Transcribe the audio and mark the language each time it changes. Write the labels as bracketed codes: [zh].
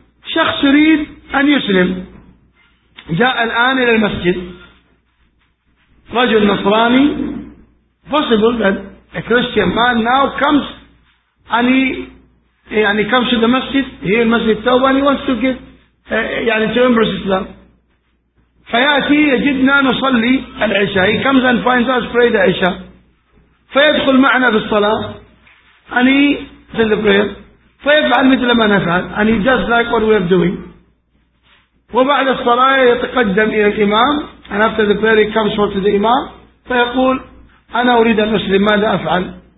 [ar] شخص يريد أن يسلم جاء الآن إلى المسجد رجل نصراني [en] possible that a Christian man now comes and he يعني comes to the masjid here in Masjid Tawbah and he wants to get يعني to embrace Islam. [ar] فيأتي يجدنا نصلي العشاء. [en] He comes and finds us pray the عشاء. [ar] فيدخل معنا في الصلاة. [en] And he says the prayer. [ar] فيفعل مثل ما نفعل. [en] And he does like what we are doing. [ar] وبعد الصلاة يتقدم إلى الإمام. [en] And after the prayer he comes forward to the Imam. [ar] فيقول أنا أريد أن أسلم ماذا أفعل.